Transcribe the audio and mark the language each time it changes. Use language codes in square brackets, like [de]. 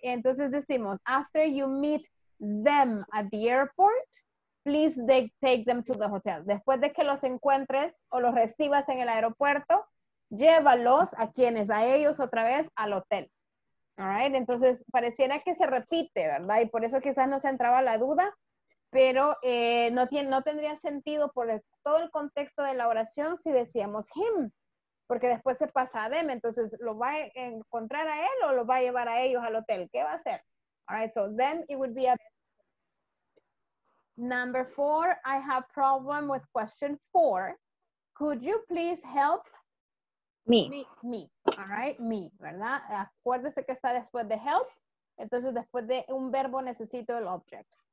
[es] Entonces decimos, [en] after you meet them at the airport, please take them to the hotel. [es] Después de que los encuentres o los recibas en el aeropuerto, llévalos a quienes, a ellos otra vez, al hotel. [en] All right. [es] Entonces pareciera que se repite, ¿verdad? Y por eso quizás no se entraba la duda. Pero no tendría sentido por todo el contexto de la oración si decíamos him, porque después se pasa a them, entonces lo va a encontrar a él o lo va a llevar a ellos al hotel, ¿qué va a hacer? [en] All right, so then it would be a... Number four, I have problem with question four. Could you please help? Me. All right, me, ¿verdad? [es] Acuérdese que está después de help, entonces después de un verbo necesito el object.